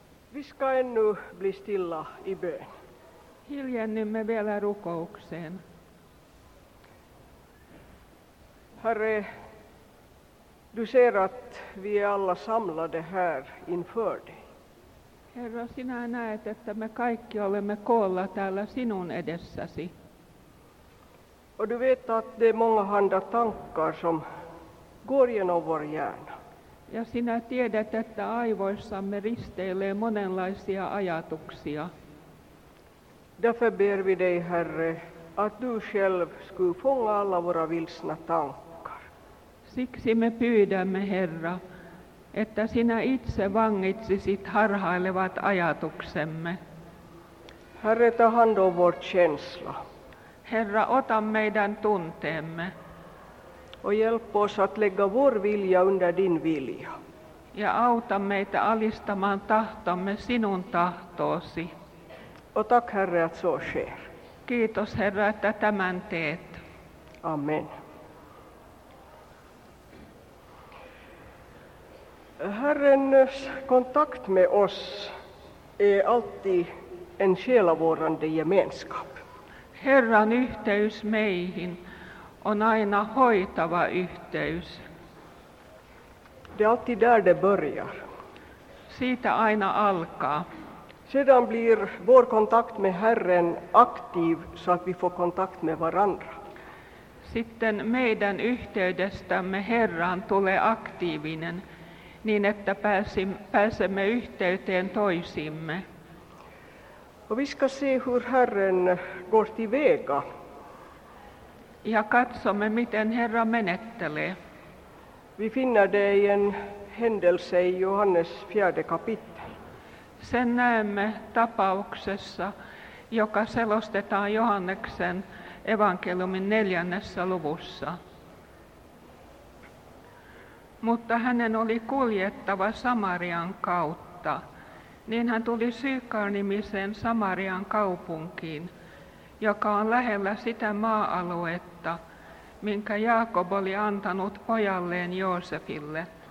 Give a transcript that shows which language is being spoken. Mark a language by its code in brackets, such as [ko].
[sv] Vi ska ännu bli stilla i bön. [fi] Hiljennymme vielä rukoukseen. [sv] Herre, du ser att vi är alla samlade här inför dig. [fi] Herra, sinä näet, että me kaikki olemme koolla täällä sinun edessäsi. [sv] Och du vet att det är många handa tankar som går genom vår hjärna. [fi] Ja sinä tiedät, että aivoissamme risteilee monenlaisia ajatuksia. [sv] Därför ber vi dig, Herre, att du själv skulle fånga alla våra vilsna tankar. [fi] Siksi me pyydämme, Herra, että sinä itse vangitsisit harhailevat ajatuksemme. [sv] Herre, ta hand om vår känsla. [fi] Herra, ota meidän tunteemme. [sv] Och hjälp oss att lägga vår vilja under din vilja. [fi] Ja auta meitä alistamaan tahtomme sinun tahtoosi. [sv] Och tack, Herre, att så sker. [fi] Kiitos, Herra, että tämän teet. [sv] Amen. Herrens kontakt med oss är alltid en själavårdande gemenskap. [fi] Herran yhteys meihin on aina hoitava yhteys. [sv] Det är alltid där det börjar. [fi] Siitä aina alkaa. [sv] Sedan blir vår kontakt med Herren aktiv så att vi får kontakt med varandra. [fi] Sitten meidän yhteydestämme Herran tulee aktiivinen, niin että pääsemme yhteyteen toisimme. [sv] Och vi ska se hur Herren går till väga. [fi] Ja katsomme, miten Herra menettelee. [sv] Vi finner det i en händelse i Johannes fjärde kapitel. [fi] Sen näemme tapauksessa, joka selostetaan Johanneksen evankeliumin 4. luvussa. Mutta hänen oli kuljettava Samarian kautta. Niin hän tuli Sykar-nimiseen Samarian kaupunkiin, joka on lähellä sitä maa-aluetta, minkä Jaakob oli antanut pojalleen Joosefille.